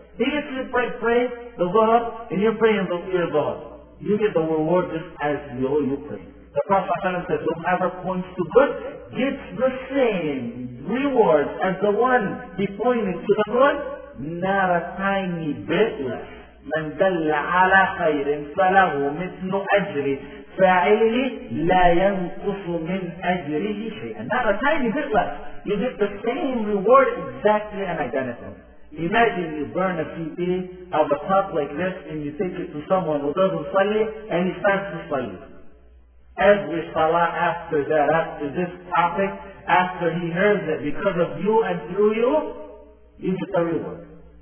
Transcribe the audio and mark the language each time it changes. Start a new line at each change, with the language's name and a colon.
English: Even if you pray the Zuhr, and you're praying the fear of God, you get the reward just as you owe you pray. The Prophet ﷺ says, whoever points to good gets the same reward as the one he pointed to the good. Not a tiny bit less.
Arabic: من دل على خير فله مثل أجر فاعله لا ينقص من أجره شيئا.
English: Not a tiny bit less. You get the same reward exactly and identical. Imagine you burn a CD of a cup like this and you take it to someone who doesn't study and he starts to study. Every salah after that, after this topic, after he hears it because of you and through you, you get the reward.